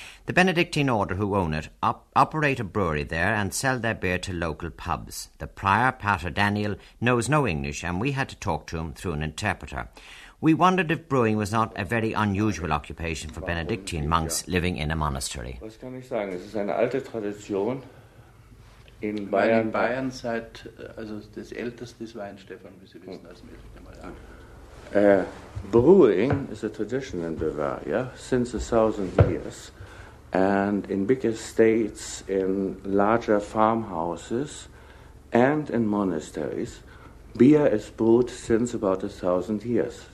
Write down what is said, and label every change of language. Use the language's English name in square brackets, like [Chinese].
[English] The Benedictine order who own it operate a brewery there and sell their beer to local pubs. The prior, Pater Daniel, knows no English, and we had to talk to him through an interpreter. We wondered if brewing was not a very unusual occupation for Benedictine monks living in a monastery. [German] Was kann ich sagen? Es ist eine alte Tradition in Bayern. Weil in Bayern seit, also das älteste ist Weinstephan, wie Sie wissen, als [English] Brewing is a tradition in Bavaria since 1,000 years, and in big estates, in larger farmhouses, and in monasteries, beer is brewed since about 1,000 years.